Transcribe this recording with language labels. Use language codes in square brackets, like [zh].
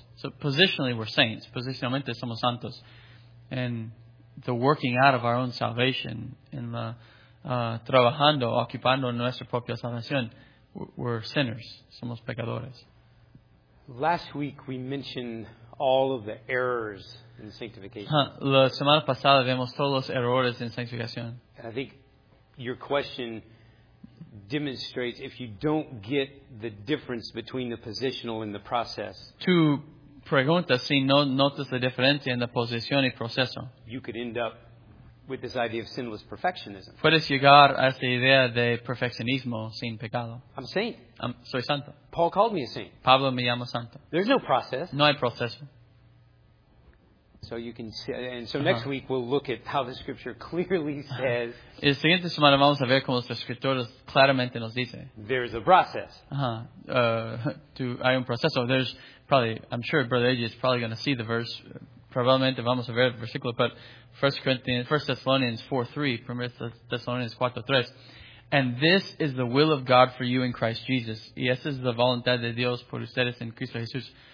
[en] So, positionally, we're saints. [es] Posicionalmente, somos santos. [en] And the working out of our own salvation in the [es] trabajando, ocupando nuestra propia salvación, [en] we're sinners, [es] somos pecadores. [en] Last week we mentioned all of the errors in sanctification. [es] La semana pasada vimos todos los errores en sanctificación. [en] And I think your question demonstrates if you don't get the difference between the positional and the process. [es] Tu pregunta, si no notas la diferencia en la posición y proceso. [en] You could end up with this idea of sinless perfectionism. [es] Puedes llegar a esta idea de perfeccionismo sin pecado. [en] I'm a saint. [es] Soy santo. [en] Paul called me a saint. [es] Pablo me llama santo. [en] There's no process. [es] No hay proceso. [en] So you can see, and so next week we'll look at how the scripture clearly says. [es] Y la siguiente semana vamos a ver cómo las escrituras claramente nos dice. [en] There is a process. [es] Hay un proceso. [en] There's probably, I'm sure Brother AJ is probably going to see the verse. [es] Probablemente vamos a ver el versículo, [en] but 1 Thessalonians 4:3, 1 Thessalonians 4:3. And this is the will of God for you in Christ Jesus. [es] Y esa es la voluntad de Dios por ustedes en Cristo Jesús.